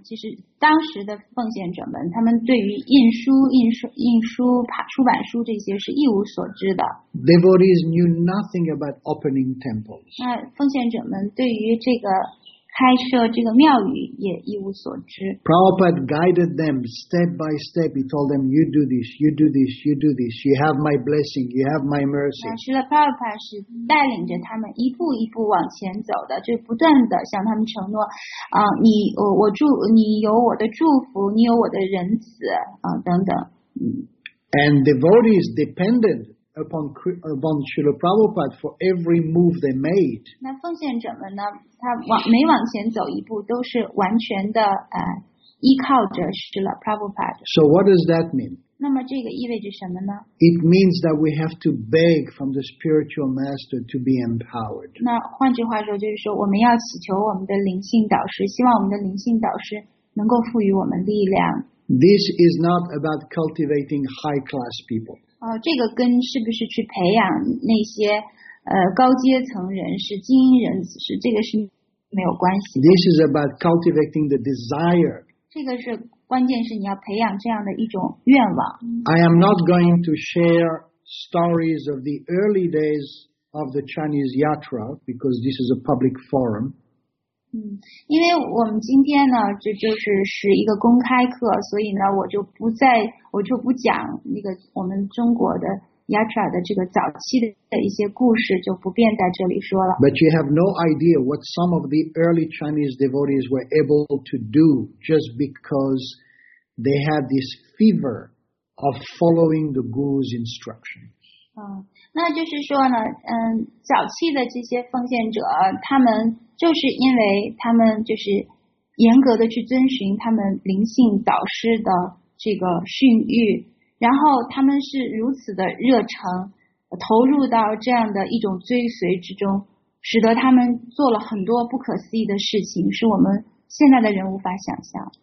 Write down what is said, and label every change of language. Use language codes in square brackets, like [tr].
[zh] 其实当时的奉献者们，他们对于印书出版书这些是一无所知的。 [en] Devotees knew nothing about opening temples. [zh] 那奉献者们对于这个开设这个庙宇也一无所知。 [en] Prabhupada guided them step by step. He told them, "You do this, you do this, you do this. You have my blessing. You have my mercy." [zh] 那Srila Prabhupada 是带领着他们一步一步往前走的，就不断的向他们承诺，你有我的祝福，你有我的仁慈，等等。 [en] And devotees depended upon Srila Prabhupada for every move they made. [zh] 那奉献者们呢，他往每往前走一步都是完全的依靠着 Srila Prabhupada。 [en] So what does that mean? [zh] 那么这个意味着什么呢？ [en] It means that we have to beg from the spiritual master to be empowered. [zh] 那换句话说就是说我们要祈求我们的灵性导师，希望我们的灵性导师能够赋予我们力量。 [en] This is not about cultivating high class people. [zh] 这个跟是不是去培养那些高阶层人士、精英人士，这个是没有关系的。 [en] This is about cultivating the desire. [zh] 这个是关键是你要培养这样的一种愿望。 [en] I am not going to share stories of the early days of the Chinese Yatra because this is a public forum. [zh] 因为我们今天呢，这就是一个公开课，所以呢，我就不讲那个我们中国的 Yatra 的这个早期的一些故事，就不便在这里说了。 [en] But you have no idea what some of the early Chinese devotees were able to do just because they had this fever of following the guru's instruction. [zh] 那就是说呢，早期的这些奉献者，他们就是因为他们就是严格的去遵循他们灵性导师的这个训谕，然后他们是如此的热诚投入到这样的一种追随之中，使得他们做了很多不可思议的事情，是我们现在的人无法想象。